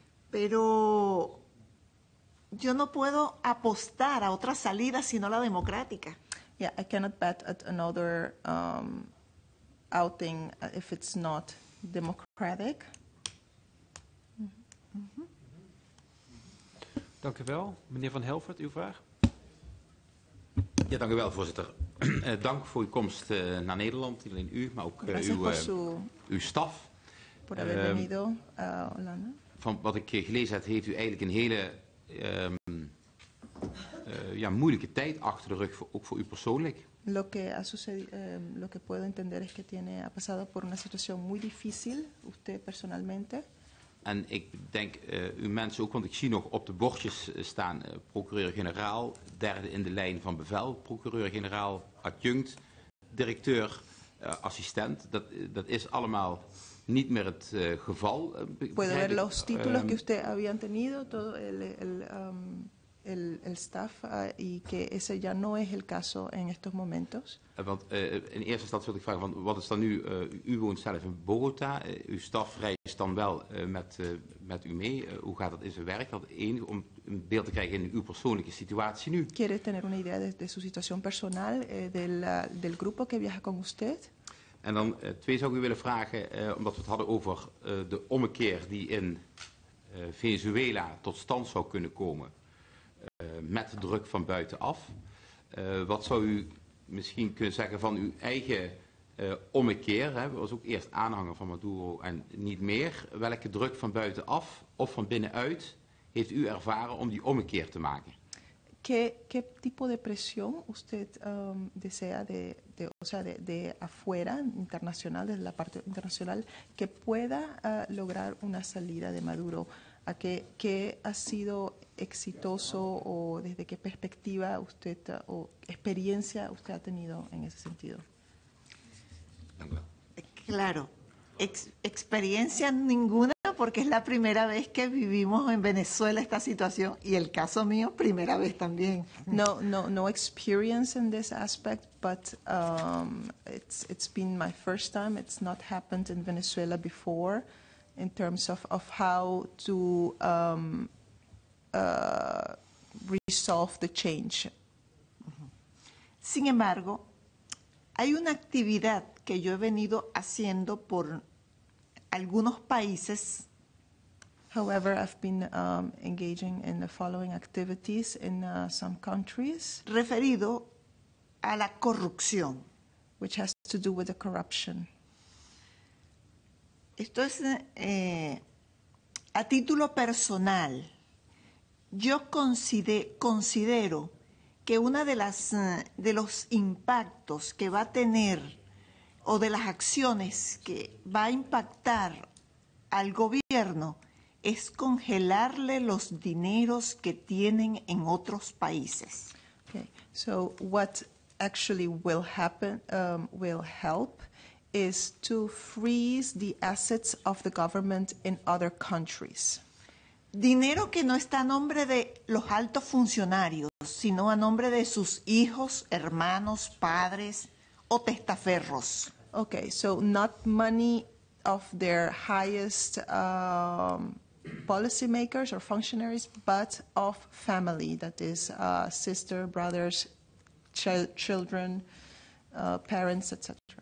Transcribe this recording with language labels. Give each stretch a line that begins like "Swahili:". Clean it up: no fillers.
Spanish: Pero yo no puedo apostar a otra salida sino la democrática.
English: Yeah, I cannot bet at another outing if it's not democratic.
Dutch: Dank u wel. Meneer Van Helfert, uw vraag. Ja, dank u wel, voorzitter. Dank voor uw komst naar Nederland. Niet alleen u, maar ook uw staf.
Spanish: Por haber venido a Holanda.
Dutch: Van wat ik gelezen heb, heeft u eigenlijk een hele moeilijke tijd achter de rug, ook voor u persoonlijk.
Spanish: Lo que ha sucedido, lo que puedo entender es que tiene, ha pasado por una situación muy difícil, usted personalmente.
Dutch: En ik denk uw mensen ook, want ik zie nog op de bordjes staan procureur-generaal, derde in de lijn van bevel, procureur-generaal, adjunct, directeur, assistent. Dat is allemaal niet meer het geval.
Spanish: Puedo ver los títulos que usted había tenido, todo el staff y que ese ya no es el caso en estos momentos.
Dutch: Want in eerste instantie wil ik vragen van wat is dan nu, u woont zelf in Bogota, uw staf reist dan wel met u mee, hoe gaat dat in zijn werk? Dat één, om een beeld te krijgen in uw persoonlijke situatie nu.
Spanish: Quiere tener una idea de su situación personal del grupo que viaja con usted.
Dutch: En dan twee zou ik u willen vragen, omdat we het hadden over de ommekeer die in Venezuela tot stand zou kunnen komen. met de druk van buitenaf. Wat zou u misschien kunnen zeggen van uw eigen ommekeer? Hè? U was ook eerst aanhanger van Maduro en niet meer. Welke druk van buitenaf of van binnenuit heeft u ervaren om die ommekeer te maken?
Spanish: ¿Qué tipo de presión usted desea de afuera, internacional, desde la parte internacional, que pueda lograr una salida de Maduro? ¿A qué ha sido exitoso o desde qué perspectiva usted o experiencia usted ha tenido en ese sentido? Claro, experiencia ninguna. Porque es la primera vez que vivimos en Venezuela esta situación y el caso mío primera vez también.
English: No experience in this aspect, but it's been my first time. It's not happened in Venezuela before, in terms of how to resolve the change.
Spanish: Sin embargo, hay una actividad que yo he venido haciendo por algunos países.
English: However, I've been engaging in the following activities in some countries.
Spanish: Referido a la corrupción.
English: Which has to do with the corruption.
Spanish: Esto es a título personal. Yo considero que una de las de los impactos que va a tener o de las acciones que va a impactar al gobierno es congelarle los dineros que tienen en otros países.
English: Okay, so what actually will happen, will help, is to freeze the assets of the government in other countries.
Spanish: Dinero que no está a nombre de los altos funcionarios, sino a nombre de sus hijos, hermanos, padres o testaferros.
English: Okay, so not money of their highest policymakers or functionaries, but of family, that is sister, brothers, children, parents, etc.